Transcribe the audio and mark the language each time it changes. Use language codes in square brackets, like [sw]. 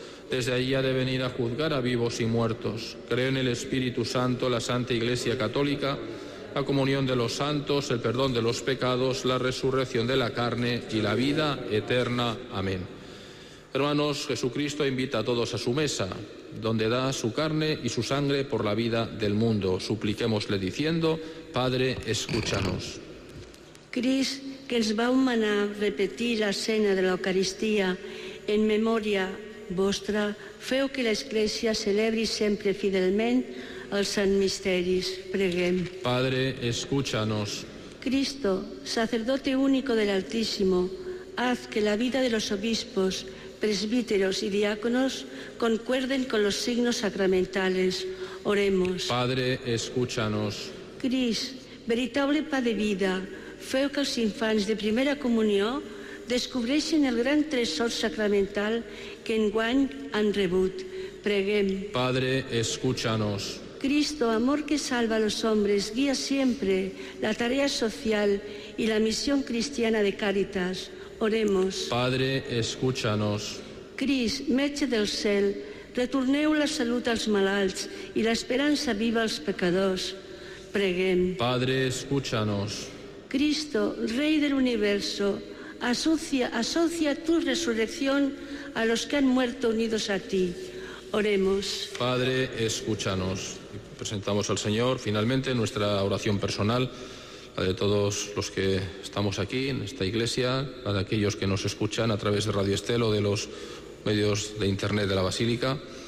[es] Desde allí ha de venir a juzgar a vivos y muertos. Creo en el Espíritu Santo, la Santa Iglesia Católica, la comunión de los santos, el perdón de los pecados, la resurrección de la carne y la vida eterna. Amén. Hermanos, Jesucristo invita a todos a su mesa, donde da su carne y su sangre por la vida del mundo. Supliquémosle diciendo: Padre, escúchanos. [ca] Crist, que ens va manar repetir la cena de la Eucaristia en memòria vostra, feu que l'Església celebri sempre fidelment els Sant Misteris. Preguem. [es] Padre, escúchanos. Cristo, sacerdote único del Altísimo, haz que la vida de los obispos, presbíteros y diáconos concuerden con los signos sacramentales. Oremos. Padre, escúchanos. [ca] Crist, veritable pa de vida, feu que els infants de primera comunió descobreixin el gran tresor sacramental que enguany han rebut. Preguem. [es] Padre, escúchanos. Cristo, amor que salva a los hombres, guía siempre la tarea social y la misión cristiana de Cáritas. Oremos. Padre, escúchanos. [ca] Crist, metge del cel, retorneu la salut als malalts i l'esperança viva als pecadors. Preguem. [es] Padre, escúchanos. Cristo, rei del universo, asocia tu resurrección a los que han muerto unidos a ti. Oremos. Padre, escúchanos. Presentamos al Señor, finalmente, nuestra oración personal, la de todos los que estamos aquí, en esta iglesia, la de aquellos que nos escuchan a través de Radio Estel o de los medios de internet de la Basílica.